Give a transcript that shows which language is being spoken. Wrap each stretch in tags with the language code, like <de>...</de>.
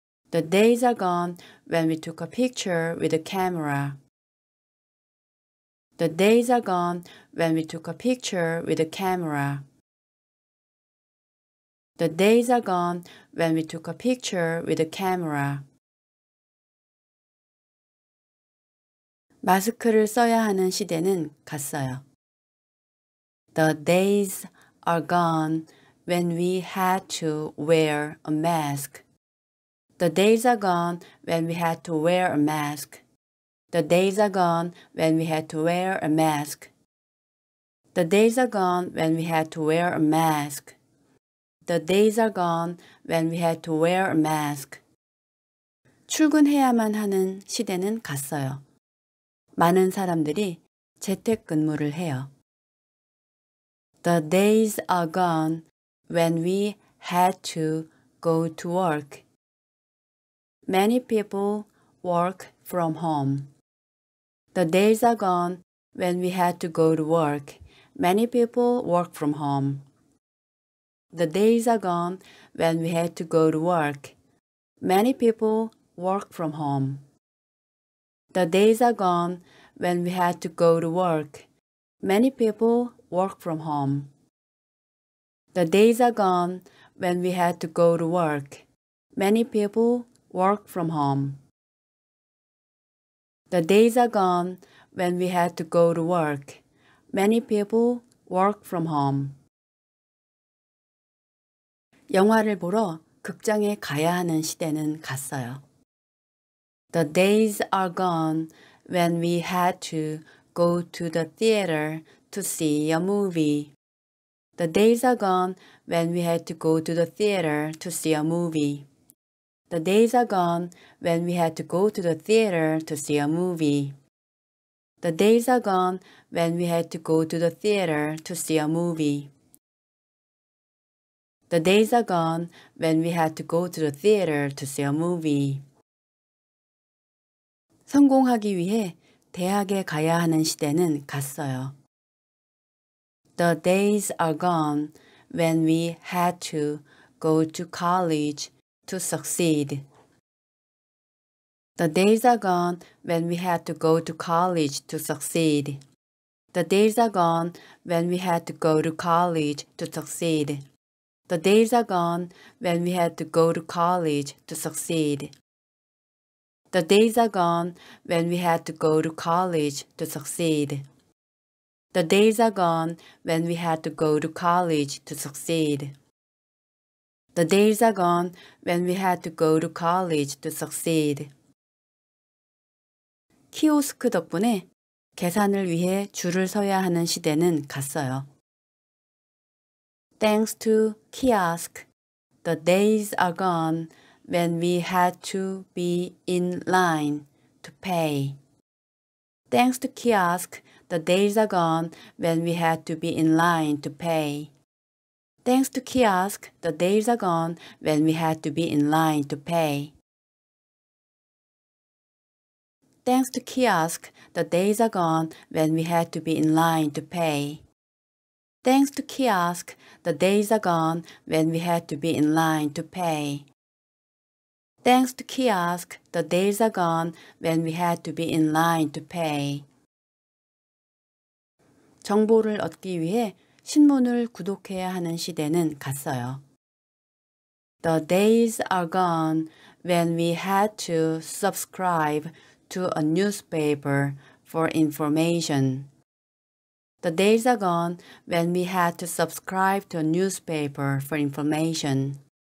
<en>The days are gone when we took a picture with a camera. The days are gone when we took a picture with a camera. The days are gone when we took a picture with a camera.</en> <ko>마스크를 써야 하는 시대는 갔어요.</ko> <en>The days are gone when we had to wear a mask. The days are gone when we had to wear a mask. The days are gone when we had to wear a mask. The days are gone when we had to wear a mask. The days are gone when we had to wear a mask.</en> <ko>출근해야만 하는 시대는 갔어요. 많은 사람들이 재택근무를 해요.</ko> <en>The days are gone when we had to go to work. Many people work from home. The days are gone when we had to go to work. Many people work from home. The days are gone when we had to go to work. Many people work from home. The days are gone when we had to go to work. Many people work from home. The days are gone when we had to go to work. Many people work from home. The days are gone when we had to go to work. Many people work from home.</en> <ko>영화를 보러 극장에 가야 하는 시대는 갔어요.</ko> <en>The days are gone when we had to go to the theater to see a movie. The days are gone when we had to go to the theater to see a movie. The days are gone when we had to go to the theater to see a movie. The days are gone when we had to go to the theater to see a movie. The days are gone when we had to go to the theater to see a movie.</en> <ko>성공하기 위해 대학에 가야 하는 시대는 갔어요.</ko> <en>The days are gone when we had to go to college to succeed. The days are gone when we had to go to college to succeed. The days are gone when we had to go to college to succeed. The days are gone when we had to go to college to succeed. The days are gone when we had to go to college to succeed. The days are gone when we had to go to college to succeed. The days are gone when we had to go to college to succeed.</en> <ko>키오스크 덕분에 계산을 위해 줄을 서야 하는 시대는 갔어요.</ko> <en>Thanks to kiosk, the days are gone when we had to be in line to pay. Thanks to kiosk, the days are gone when we had to be in line to pay. Thanks to kiosk, the days are gone when we had to be in line to pay. Thanks to kiosk, the days are gone when we had to be in line to pay. Thanks to kiosk, the days are gone when we had to be in line to pay. Thanks to kiosk, the days are gone when we had to be in line to pay.</en> <ko>정보를 얻기 위해 신문을 구독해야 하는 시대는 갔어요.</ko> <en>The days are gone when we had to subscribe to a newspaper for information. The days are gone when we had to subscribe to a newspaper for information.</en>